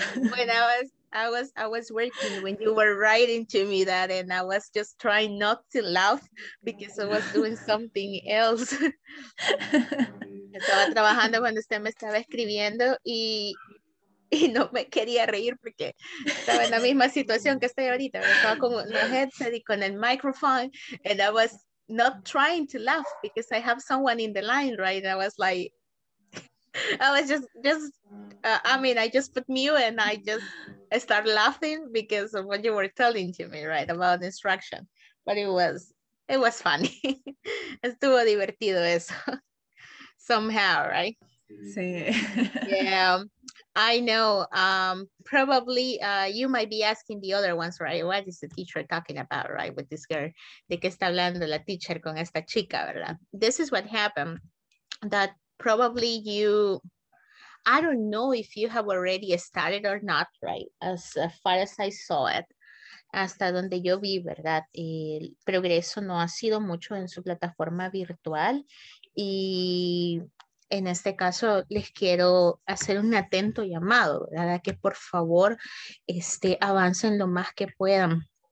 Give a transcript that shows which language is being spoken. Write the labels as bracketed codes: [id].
[en] When I was working, when you were writing to me that, and I was just trying not to laugh because I was doing something else. [es] Estaba trabajando cuando usted me estaba escribiendo y no me quería reír porque estaba en la misma situación que estoy ahorita. Estaba con un headset y con el micrófono [en] and I was not trying to laugh because I have someone in the line, right? I was like, I just put mute and I started laughing because of what you were telling to me, right, about instruction. But it was funny. [es] Estuvo divertido eso. [en] Somehow, right? [es] Sí. [en] Yeah, I know. Probably you might be asking the other ones, right? What is the teacher talking about, right? With this girl. [es] ¿De qué está hablando la teacher con esta chica, verdad? [en] This is what happened. That probably you, I don't know if you have already started or not, right? As far as I saw it, [es] hasta donde yo vi, verdad? El progreso no ha sido mucho en su plataforma virtual. Y en este caso les quiero hacer un atento llamado, ¿verdad? Que por favor avancen lo más que puedan.